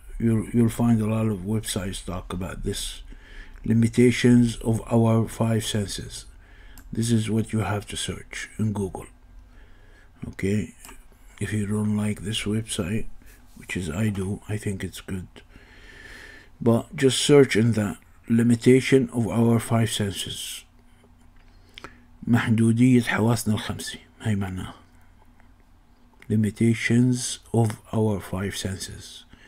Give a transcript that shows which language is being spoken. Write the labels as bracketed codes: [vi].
[en] You'll find a lot of websites talk about this, limitations of our five senses. This is what you have to search in Google. Okay, if you don't like this website, which is I do, I think it's good, but just search in that, limitation of our five senses. [ar] محدودية حواسنا الخمسة هاي معناها. [en] Limitations of our five senses.